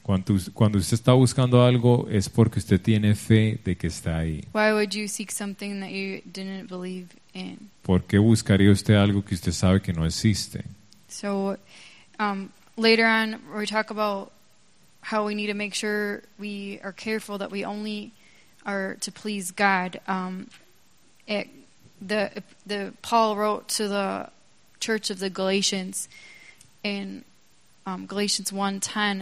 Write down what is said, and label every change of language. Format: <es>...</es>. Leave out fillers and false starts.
<es>Cuando usted está buscando algo, es porque usted tiene fe de que está ahí.</es> <en>Why would you seek something that you didn't believe in?</en> <es>¿Por qué buscaría usted algo que usted sabe que no existe?</es> <en>So, later on, we talk about how we need to make sure we are careful that we only or to please God. The Paul wrote to the church of the Galatians in Galatians 1:10.</en>